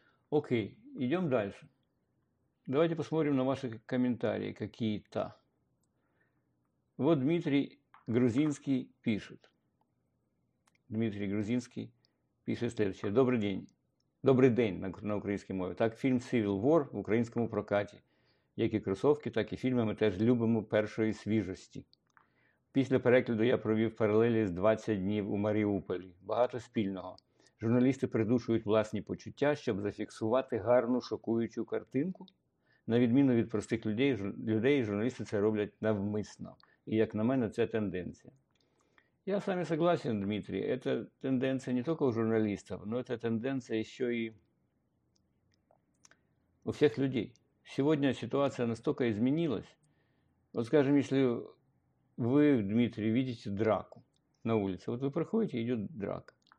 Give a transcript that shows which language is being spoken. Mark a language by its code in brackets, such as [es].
[ru] Окей, идем дальше. Давайте посмотрим на ваши комментарии какие-то. Вот Дмитрий Грузинский пишет. Дмитрий Грузинский пишет следующее. Добрый день. Добрый день на украинской мове. [uk] Так [ru] фильм [uk] Civil War [ru] в украинском [uk] прокаті, як і кросовки, так і фільми ми теж любимо першої свіжості. Після перекладу я провів паралелі з 20 днів у Маріуполі. Багато спільного. Журналісти придушують власні почуття, щоб зафіксувати гарну шокуючу картинку. На відміну від простих людей, журналісти це роблять навмисно. І як на мене, це тенденція. [ru] Я с вами согласен, Дмитрий. Это тенденция не только у журналистов, но это тенденция еще и у всех людей. Сегодня ситуация настолько изменилась. Вот скажем, если вы, Дмитрий, видите драку на улице, вот вы проходите, идет драка.